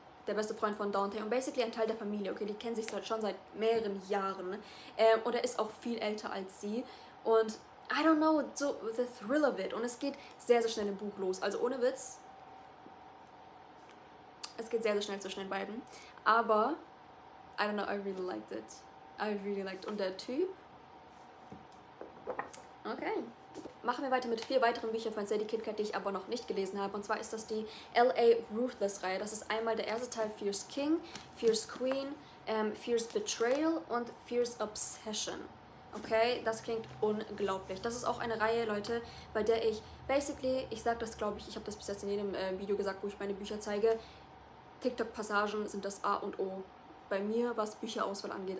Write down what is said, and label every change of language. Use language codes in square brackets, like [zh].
[de] Der beste Freund von Dante und basically ein Teil der Familie, okay? Die kennen sich schon seit mehreren Jahren. Und er ist auch viel älter als sie. Und [en] I don't know, so the thrill of it. [de] Und es geht sehr, sehr schnell im Buch los. Also ohne Witz, es geht sehr, sehr schnell zwischen den beiden. Aber, [en] I don't know, I really liked it. I really liked it. [de] Und der Typ, Okay. Machen wir weiter mit vier weiteren Büchern von Sadie Kitcat, die ich aber noch nicht gelesen habe. Und zwar ist das die L.A. Ruthless-Reihe. Das ist einmal der erste Teil Fierce King, Fierce Queen, Fierce Betrayal und Fierce Obsession. Okay, das klingt unglaublich. Das ist auch eine Reihe, Leute, bei der ich basically, ich sag das glaube ich, ich habe das bis jetzt in jedem Video gesagt, wo ich meine Bücher zeige, TikTok-Passagen sind das A und O bei mir, was Bücherauswahl angeht.